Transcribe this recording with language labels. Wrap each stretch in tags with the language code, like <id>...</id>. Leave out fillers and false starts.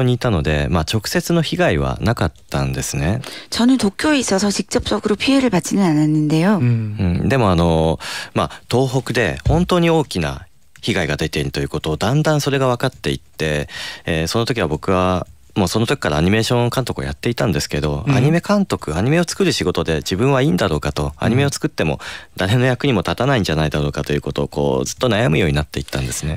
<ja>12年前に東日本大震災というとても大きな地震が起きました。韓国でももしかしたら知っていただいている方がいらっしゃるかもしれませんね。12年前に東日本大震災というとても大きな地震が起きました。韓国でももしかしたら知っていただいている方がいらっしゃるかもしれませんね。僕はあの地震が起きた時東京にいたので、直接の被害はなかったんですね。</ja> <ko>저는 도쿄에 있어서 직접적으로 피해를 받지는 않았는데요。</ko> <ja>でも東北で本当に大きな被害が出ているということをだんだんそれが分かっていって、その時は僕はもうその時からアニメーション監督をやっていたんですけど、うん、アニメ監督アニメを作る仕事で自分はいいんだろうかと、アニメを作っても誰の役にも立たないんじゃないだろうかということをこうずっと悩むようになっていったんですね。</ja>